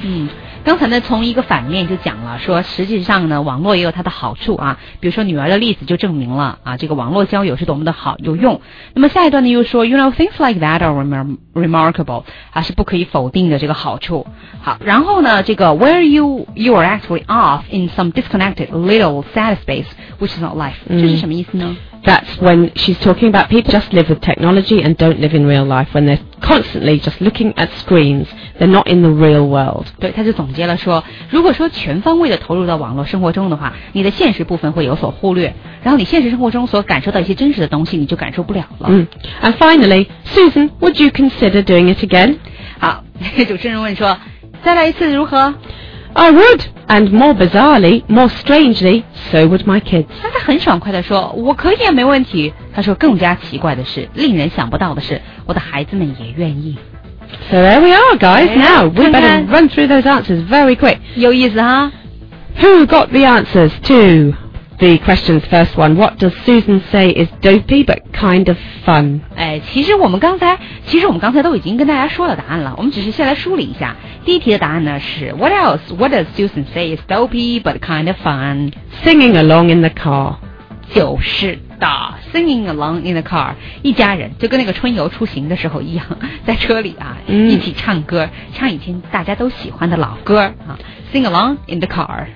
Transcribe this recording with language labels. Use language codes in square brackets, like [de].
[zh] mm. 刚才呢从一个反面就讲了说实际上呢网络也有它的好处啊比如说女儿的例子就证明了啊这个网络交友是多么的好有用那么下一段呢又说 [en] You know things like that are remarkable [zh] 还、啊、是不可以否定的这个好处好然后呢这个 [en] Where you are actually off in some disconnected little sad space which is not life、嗯、 [zh] 这是什么意思呢 [en] That's when she's talking about people just live with technology and don't live in real life when they're constantly just looking at screens. They're not in the real world. [zh] 对，他就总结了说，如果说全方位的投入到网络生活中的话，你的现实部分会有所忽略，然后你现实生活中所感受到一些真实的东西，你就感受不了了。嗯。 [en] And finally, Susan, would you consider doing it again? [zh] 好，主持人问说，再来一次如何？ [en] I would, and more bizarrely, more strangely, so would my kids. [zh] 他很爽快地说，我可以啊，没问题。他说，更加奇怪的是，令人想不到的是，我的孩子们也愿意。 [en] So there we are, guys. Now, we better run through those answers very quick. [zh] 有意思哈。 [en] Who got the answers to the question's first one? What does Susan say is dopey but kind of fun? [zh] 哎，其实我们刚才都已经跟大家说了答案了，我们只是先来梳理一下。第一题的答案呢是 [en] What else? What does Susan say is dopey but kind of fun? Singing along in the car. [zh] 就是的 ， [en] singing along in the car， [zh] 一家人就跟那个春游出行的时候一样，在车里啊、嗯、一起唱歌，唱以前大家都喜欢的老歌啊 ， [en] sing along in the car.